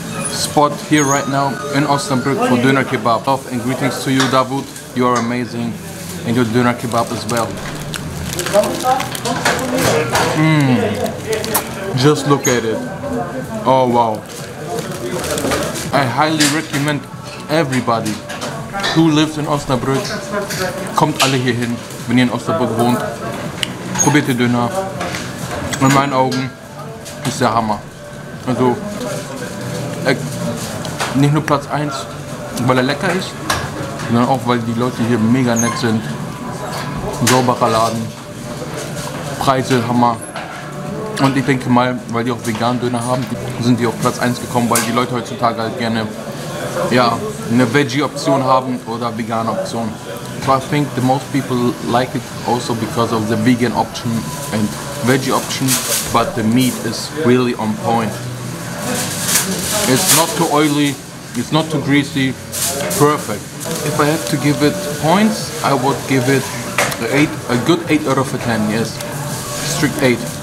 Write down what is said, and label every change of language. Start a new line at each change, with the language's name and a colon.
English: spot here right now in Osnabrück for Döner Kebab. Love and greetings to you, Davut. You are amazing. And your Döner Kebab as well. Just look at it. Oh, wow. I highly recommend everybody who lives in Osnabrück.
German: Kommt alle hier hin, wenn ihr in Osnabrück wohnt. Probiert den Döner. In meinen Augen ist der Hammer. Also, nicht nur Platz 1, weil er lecker ist, sondern auch, weil die Leute hier mega nett sind. Sauberer Laden. Preise, Hammer. Und ich denke mal, weil die auch veganen Döner haben, sind die auf Platz 1 gekommen, weil die Leute heutzutage halt gerne ja, eine Veggie-Option haben oder vegane Option.
English: So I think the most people like it also because of the vegan option and veggie option, but the meat is really on point. It's not too oily, it's not too greasy, perfect. If I have to give it points, I would give it a good 8 out of a 10, yes. Strict 8.